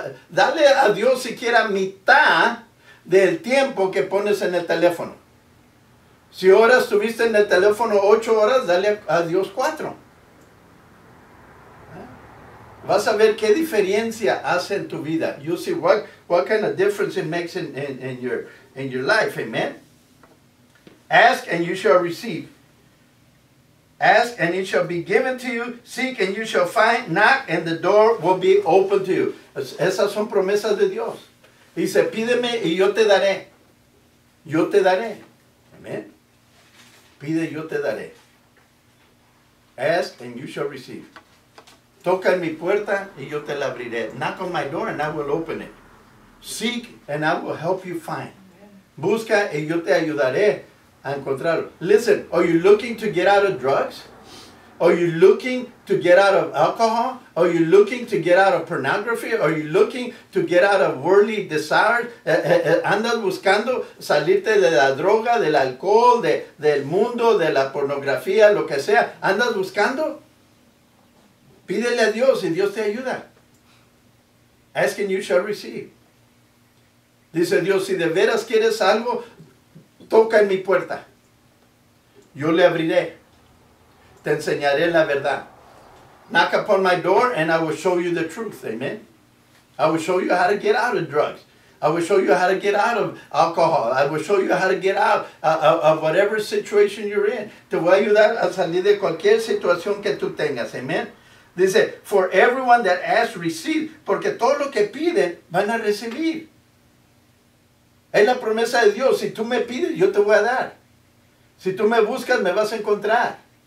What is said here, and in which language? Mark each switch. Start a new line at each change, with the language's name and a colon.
Spanish: Dale a Dios siquiera mitad del tiempo que pones en el teléfono. Si ahora estuviste en el teléfono 8 horas, dale a Dios 4. Vas a ver qué diferencia hace en tu vida.
English: You see what kind of difference it makes in your life. Amen. Ask and you shall receive. Ask and it shall be given to you. Seek and you shall find. Knock and the door will be opened to you.
Spanish: Esas son promesas de Dios. Dice, pídeme y yo te daré. Yo te daré. Amen. Pide, yo te daré.
English: Ask and you shall receive.
Spanish: Toca en mi puerta y yo te la abriré.
English: Knock on my door and I will open it. Seek and I will help you find.
Spanish: Busca y yo te ayudaré a encontrarlo.
English: Listen, are you looking to get out of drugs? Are you looking to get out of alcohol? Are you looking to get out of pornography? Are you looking to get out of worldly desires?
Spanish: ¿Andas buscando salirte de la droga, del alcohol, del mundo, de la pornografía, lo que sea? ¿Andas buscando? Pídele a Dios y Dios te ayuda.
English: Ask and you shall receive.
Spanish: Dice Dios, si de veras quieres algo, toca en mi puerta. Yo le abriré. Te enseñaré la verdad.
English: Knock upon my door and I will show you the truth. Amen. I will show you how to get out of drugs. I will show you how to get out of alcohol. I will show you how to get out of whatever situation you're in.
Spanish: Te voy a ayudar a salir de cualquier situación que tú tengas. Amen. Dice,
English: for everyone that asks, receive.
Spanish: Porque todo lo que piden, van a recibir. Es la promesa de Dios. Si tú me pides, yo te voy a dar. Si tú me buscas, me vas a encontrar.